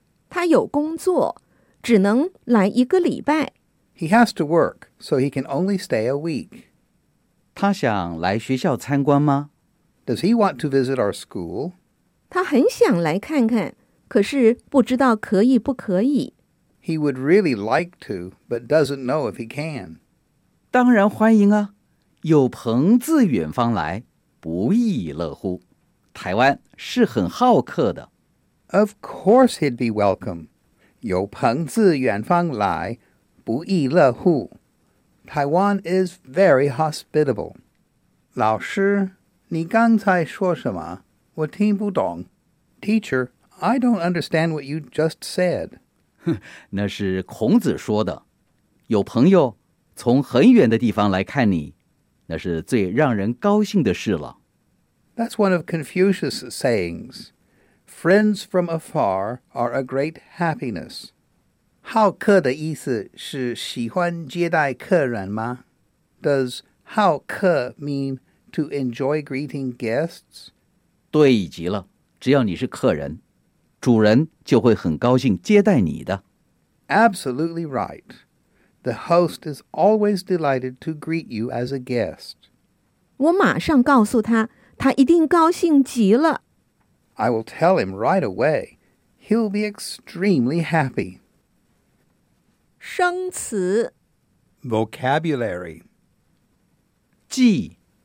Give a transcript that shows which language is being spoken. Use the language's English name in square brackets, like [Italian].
[Chinese] 他有工作只能来一个礼拜 [English] He has to work So he can only stay a week. [Chinese] 他想来学校参观吗? [English] Does he want to visit our school? [Chinese] 他很想来看看,可是不知道可以不可以。 [English] He would really like to, but doesn't know if he can. [Chinese] 当然欢迎啊,有朋自远方来,不亦乐乎。台湾是很好客的。 [English] Of course he'd be welcome. [Chinese] 有朋自远方来,不亦乐乎。 [English] Taiwan is very hospitable. [Chinese] 老师,你刚才说什么?我听不懂。 [English] Teacher, I don't understand what you just said. [Chinese] 那是孔子说的。有朋友从很远的地方来看你,那是最让人高兴的事了。 [English] That's one of Confucius' sayings. Friends from afar are a great happiness. [Chinese] 好客的意思是喜欢接待客人吗? [English] Does 好客 mean to enjoy greeting guests? [Chinese] 对极了,只要你是客人,主人就会很高兴接待你的。 [English] Absolutely right. The host is always delighted to greet you as a guest. [Chinese] 我马上告诉他,他一定高兴极了。 [English] I will tell him right away. He'll be extremely happy. [Chinese] 生词 [English] Vocabulary [Chinese] 寄